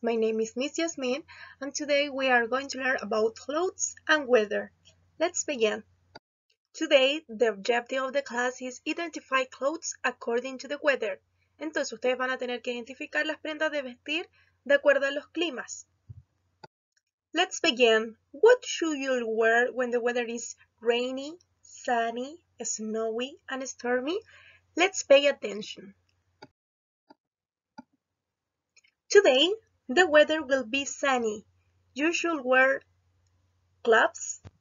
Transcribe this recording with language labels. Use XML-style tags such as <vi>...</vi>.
<en>My name is Miss Yasmin, and today we are going to learn about clothes and weather. Let's begin. Today, the objective of the class is identify clothes according to the weather.</en> <es>Entonces, ustedes van a tener que identificar las prendas de vestir de acuerdo a los climas.</es> <en>Let's begin. What should you wear when the weather is rainy, sunny, snowy, and stormy? Let's pay attention. Today, the weather will be sunny. You should wear gloves.</en>